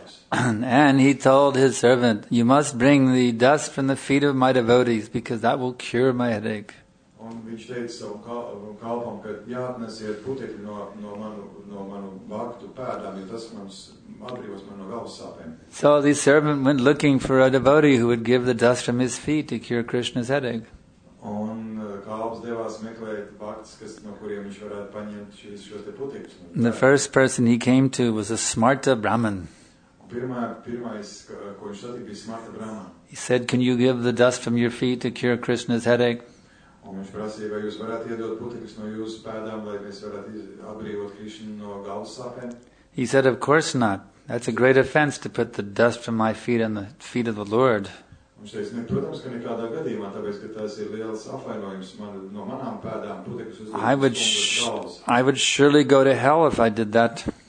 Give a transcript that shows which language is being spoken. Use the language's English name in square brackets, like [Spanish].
[English] And he told his servant, you must bring the dust from the feet of my devotees because that will cure my headache. So the servant went looking for a devotee who would give the dust from his feet to cure Krishna's headache. [Latvian] kalps devās meklēt vaktus, kas no kuriem viņš varētu paņemt šo te putekļu. [English] The first person he came to was a smarta brahman. [Latvian] Pirmais, ko viņš satika, bija smarta brahman. [English] He said, "Can you give the dust from your feet to cure Krishna's headache?" [Latvian] Un viņš prasīja, vai jūs varat iedot putekļus no jūsu pēdām, lai mēs varat atbrīvot Krishna no galvas sāpēm? [English] He said, "Of course not. That's a great offense to put the dust from my feet on the feet of the Lord." I would surely go to hell if I did that.